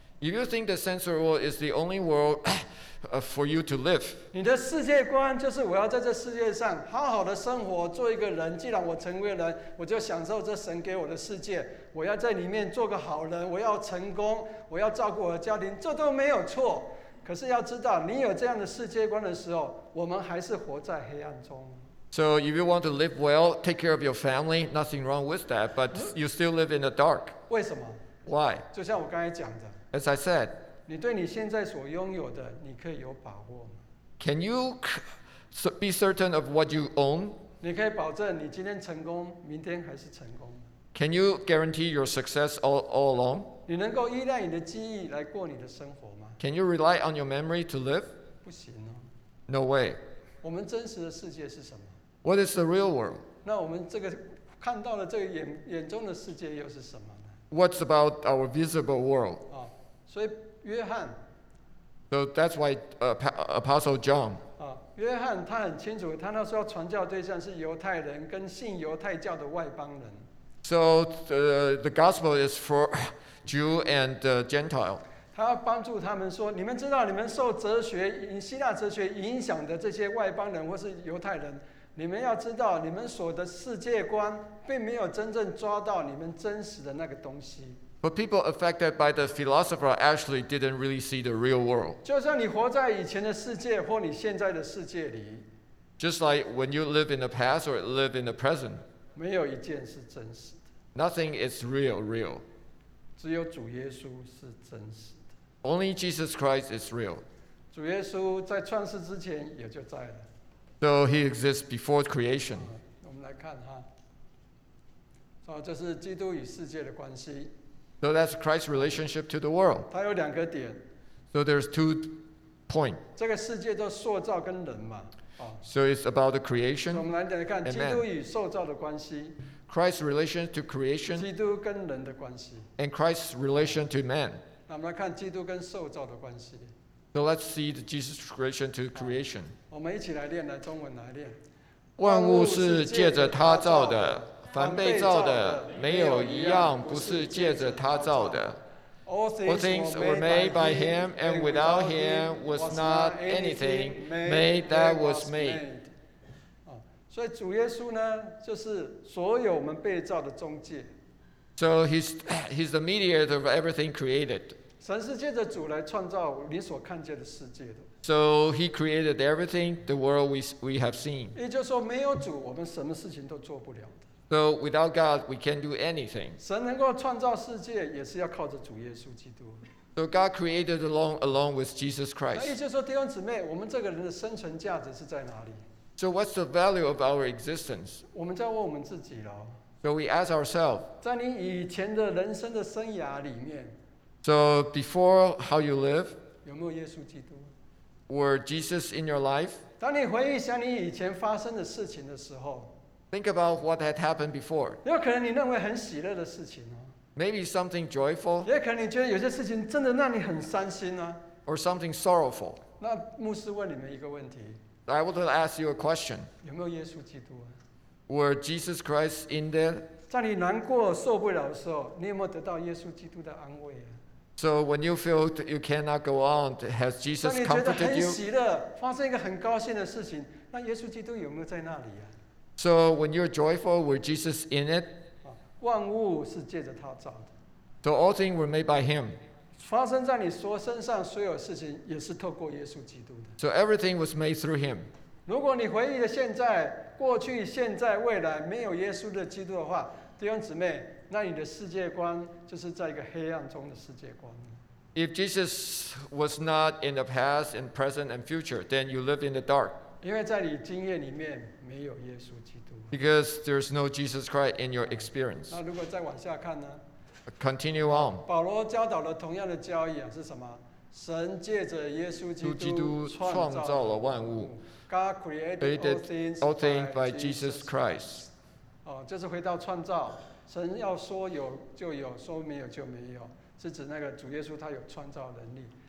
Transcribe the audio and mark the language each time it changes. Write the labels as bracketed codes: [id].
[en] If you think the sensory world is the only world for you to live, [zh] 你的世界观就是我要在这世界上好好的生活，做一个人。既然我成为人，我就享受这神给我的世界。我要在里面做个好人，我要成功，我要照顾我的家庭，这都没有错。可是要知道，你有这样的世界观的时候，我们还是活在黑暗中。 [en] So if you want to live well, take care of your family, nothing wrong with that, but you still live in the dark. [zh] 为什么？ [en] Why? [zh] 就像我刚才讲的。 [en] As I said, [zh] 你对你现在所拥有的，你可以有把握吗？ [en] Can you be certain of what you own? [zh] 你可以保证你今天成功，明天还是成功。 [en] Can you guarantee your success all along? [zh] 你能够依赖你的记忆来过你的生活吗？ [en] Can you rely on your memory to live? [zh] 不行哦。 [en] No way. [zh] 我们真实的世界是什么？ [en] What is the real world? [zh] 那我们这个看到的这个眼中的世界又是什么呢？ [en] What's about our visible world? [zh] 哦，所以约翰。 [en] So that's why Apostle John. [zh] 哦，约翰他很清楚，他那时候传教对象是犹太人跟信犹太教的外邦人。 [en] So the gospel is for Jew and Gentile. [zh] 他要帮助他们说，你们知道你们受哲学、希腊哲学影响的这些外邦人或是犹太人，你们要知道你们所的世界观并没有真正抓到你们真实的那个东西。 [en] But people affected by the philosopher actually didn't really see the real world. [zh] 就算你活在以前的世界或你现在的世界里， [en] Just like when you live in the past or live in the present. [zh] 没有一件是真实的。 [en] Nothing is real. [zh] 只有主耶稣是真实的。 [en] Only Jesus Christ is real. [zh] 主耶稣在创世之前也就在了。 [en] So he exists before creation. [zh] 我们来看哈，这是基督与世界的关系。 [en] So that's Christ's relationship to the world. [zh] 它有两个点。 [en] So there's two points. [zh] 这个世界叫塑造跟人嘛。 [en] So it's about the creation. [zh] 我们来看基督与受造的关系。 [en] Christ's relation to creation, [zh] 基督跟人的关系, [en] and Christ's relation to man. [zh] 那我们来看基督跟受造的关系。 [en] So let's see the Jesus' relation to creation. [zh] 我们一起来练，来中文来练。万物是借着他造的，凡被造的，没有一样不是借着他造的。 [en] All things were made by him, and without him was not anything made that was made. [zh] 所以主耶稣呢，就是所有我们被造的中介。 [en] So he's the mediator of everything created. [zh] 神是借着主来创造你所看见的世界的。 [en] So he created everything, the world we have seen. [zh] 也就是说，没有主，我们什么事情都做不了。 [en] So without God, we can't do anything. [zh] 神能够创造世界，也是要靠着主耶稣基督。 [en] So God created along with Jesus Christ. [zh] 也就是说，弟兄姊妹，我们这个人的生存价值是在哪里？ [en] So what's the value of our existence? [zh] 我们在问我们自己了。 [en] So we ask ourselves. [zh] 在你以前的人生的生涯里面。 [en] So before how you live. [zh] 有没有耶稣基督？ [en] Were Jesus in your life? [zh] 当你回忆想你以前发生的事情的时候。 [en] Think about what had happened before. [zh] 有可能你认为很喜乐的事情哦。 [en] Maybe something joyful. [zh] 也可能你觉得有些事情真的让你很伤心啊。 [en] Or something sorrowful. [zh] 那牧师问你们一个问题。 [en] I want to ask you a question. [zh] 有没有耶稣基督啊？ [en] Were Jesus Christ in there? [zh] 在你难过受不了的时候，你有没有得到耶稣基督的安慰啊？ [en] So when you feel you cannot go on, has Jesus comforted you? [zh] 当你觉得很喜乐，发生一个很高兴的事情，那耶稣基督有没有在那里啊？ [en] So when you're joyful, were Jesus in it? [zh] 万物是借着他造的。 [en] So all things were made by him. [zh] 发生在你所身上所有事情也是透过耶稣基督的。 [en] So everything was made through him. [zh] 如果你回忆了现在、过去、现在、未来没有耶稣的基督的话，弟兄姊妹，那你的世界观就是在一个黑暗中的世界观。 [en] If Jesus was not in the past and present and future, then you live in the dark. [zh] 因为在你经验里面没有耶稣基督。 [en] Because there's no Jesus Christ in your experience. [zh] 那如果再往下看呢？ Continue on. 保罗教导了同样的教义啊，是什么？神借着耶稣基督创造了万物。 [en] God created all things by Jesus Christ. [zh] 哦，就是回到创造，神要说有就有，说没有就没有，是指那个主耶稣他有创造能力。